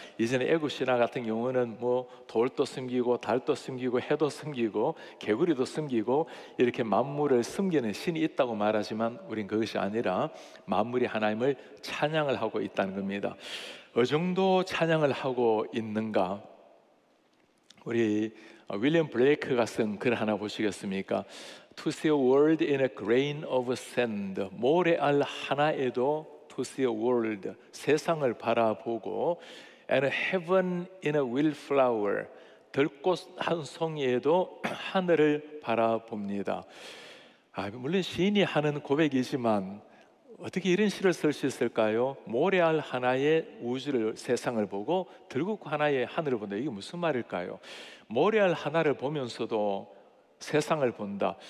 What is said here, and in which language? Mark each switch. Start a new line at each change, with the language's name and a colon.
Korean: 이전에 애굽 신화 같은 경우는 뭐 돌도 숨기고 달도 숨기고 해도 숨기고 개구리도 숨기고 이렇게 만물을 숨기는 신이 있다고 말하지만 우린 그것이 아니라 만물이 하나님을 찬양을 하고 있다는 겁니다. 어느 정도 찬양을 하고 있는가? 우리 윌리엄 블레이크가 쓴 글 하나 보시겠습니까?
English: To see a world in a grain of sand.
Korean: 모래알 하나에도
English: to see a world.
Korean: 세상을 바라보고
English: and a heaven in a wildflower.
Korean: 들꽃 한 송이에도 하늘을 바라봅니다. 아, 물론 시인이 하는 고백이지만 어떻게 이런 시를 쓸 수 있을까요? 모래알 하나의 우주를 세상을 보고 들꽃 하나의 하늘을 본다. 이게 무슨 말일까요? 모래알 하나를 보면서도 세상을 본다.